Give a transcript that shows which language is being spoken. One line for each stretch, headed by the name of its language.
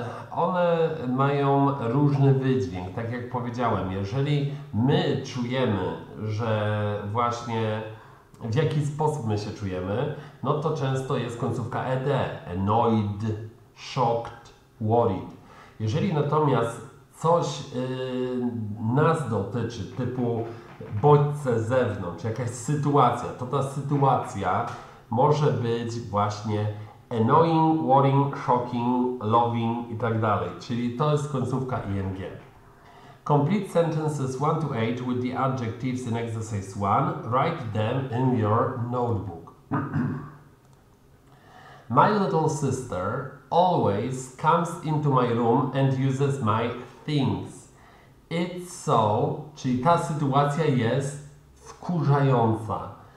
Polish: One mają różny wydźwięk, tak jak powiedziałem. Jeżeli my czujemy, że właśnie w jaki sposób my się czujemy, no to często jest końcówka ed.
English: Annoyed, shocked, worried.
Polish: Jeżeli natomiast coś nas dotyczy, typu bodźce z zewnątrz, jakaś sytuacja, to ta sytuacja może być właśnie
English: annoying, worrying, shocking, loving
Polish: i tak dalej. Czyli to jest końcówka ing.
English: Complete sentences 1 to 8 with the adjectives in exercise 1. Write them in your notebook. My little sister always comes into my room and uses my things. It's so,
Polish: czyli ta sytuacja jest wkurzająca.